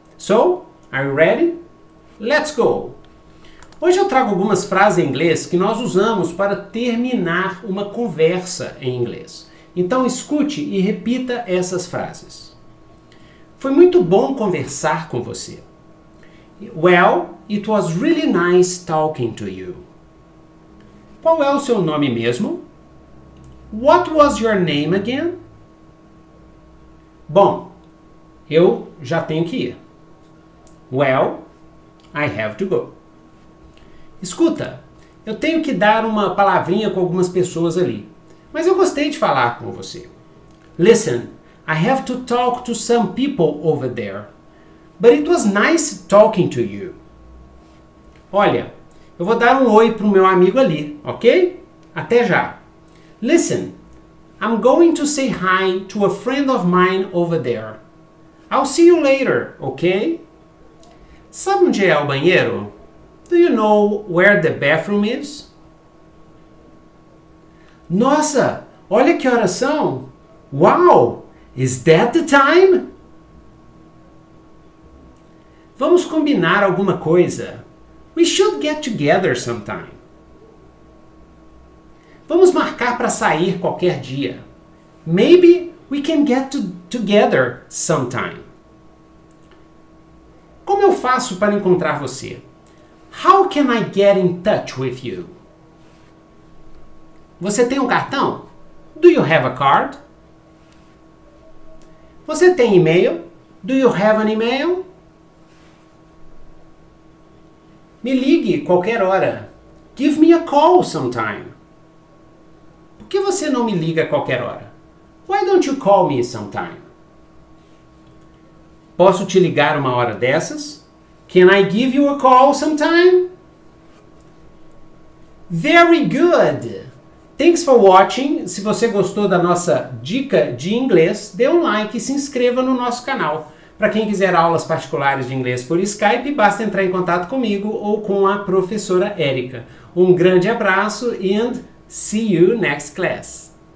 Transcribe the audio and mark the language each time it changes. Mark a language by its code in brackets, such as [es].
[en] So, are you ready? Let's go! [pt] Hoje eu trago algumas frases em inglês que nós usamos para terminar uma conversa em inglês. Então escute e repita essas frases. Foi muito bom conversar com você. [en] Well, it was really nice talking to you. [pt] Qual é o seu nome mesmo? [en] What was your name again? [pt] Bom, eu já tenho que ir. [en] Well, I have to go. [pt] Escuta, eu tenho que dar uma palavrinha com algumas pessoas ali, mas eu gostei de falar com você. [en] Listen, I have to talk to some people over there, but it was nice talking to you. [pt] Olha, eu vou dar um oi pro meu amigo ali, ok? Até já. [en] Listen, I'm going to say hi to a friend of mine over there. I'll see you later, ok? [pt] Sabe onde é o banheiro? [en] Do you know where the bathroom is? [pt] Nossa, olha que horas são! [en] Wow, is that the time? [pt] Vamos combinar alguma coisa. [en] We should get together sometime. [pt] Vamos marcar para sair qualquer dia. [en] Maybe we can get together sometime. [pt] Como eu faço para encontrar você? [en] How can I get in touch with you? [pt] Você tem um cartão? [en] Do you have a card? [pt] Você tem e-mail? [en] Do you have an email? [pt] Me ligue qualquer hora. [en] Give me a call sometime. [pt] Por que você não me liga qualquer hora? [en] Why don't you call me sometime? [pt] Posso te ligar uma hora dessas? [en] Can I give you a call sometime? Very good! Thanks for watching. [pt] Se você gostou da nossa dica de inglês, dê um like e se inscreva no nosso canal. Para quem quiser aulas particulares de inglês por Skype, basta entrar em contato comigo ou com a professora Erica. Um grande abraço [en] and see you next class!